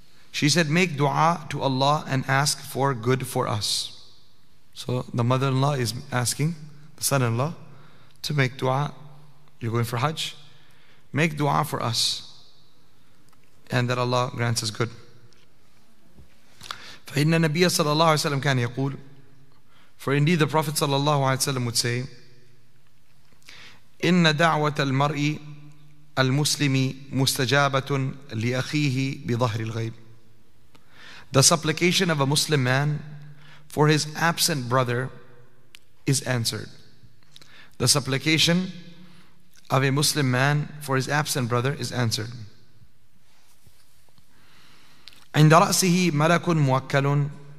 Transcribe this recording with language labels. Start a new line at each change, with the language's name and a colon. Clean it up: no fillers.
English: She said, make dua to Allah and ask for good for us. So the mother-in-law is asking the son-in-law to make dua. You're going for Hajj? Make dua for us and that Allah grants us good.
Arabic: فَإِنَّ النَّبِيَّ صَلَى اللَّهُ عَلَيْهِ وَسَلَّمْ كَانَ يَقُولُ.
English: For indeed the Prophet صلى الله عليه وسلم would say,
Arabic: إِنَّ دَعْوَةَ الْمَرْءِ الْمُسْلِمِ مُسْتَجَابَةٌ لِأَخِيهِ بِظَهْرِ الْغَيْبِ.
English: The supplication of a Muslim man for his absent brother is answered. The supplication of a Muslim man for his absent brother is answered.
Arabic: عند رأسه ملك موكل.